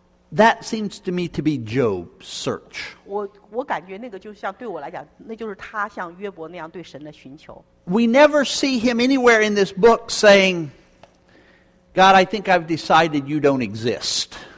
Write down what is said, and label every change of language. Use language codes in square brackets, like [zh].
[en] That seems to me to be Job's search. [zh] 我感觉那个就像对我来讲，那就是他像约伯那样对神的寻求。 [en] We never see him anywhere in this book saying, God, I think I've decided you don't exist.